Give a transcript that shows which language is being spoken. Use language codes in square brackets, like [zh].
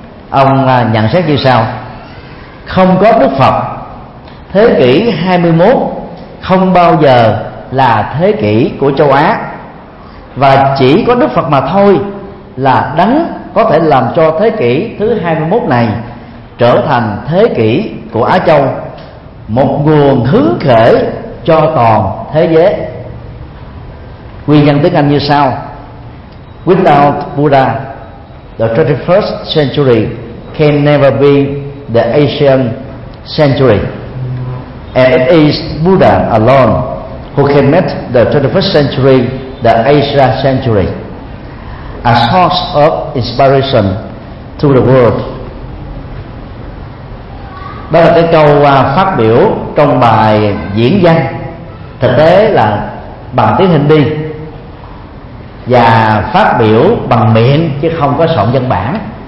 [vi] Ông nhận xét như sau: không có Đức Phật, thế kỷ 21 không bao giờ là thế kỷ của châu Á, và chỉ có Đức Phật mà thôi là đấng có thể làm cho thế kỷ thứ 21 này trở thành thế kỷ của Á Châu, một nguồn hướng khởi cho toàn thế giới. Nguyên nhân tiếng Anh như sau: [en] Without Buddha, the 21st century can never be the Asian century, and it is Buddha alone who can make the 21st century the Asian century, a source of inspiration to the world. [vi] Đó là cái câu phát biểu trong bài diễn văn, thực tế là bằng tiếng Hindi, và phát biểu bằng miệng chứ không có soạn văn bản.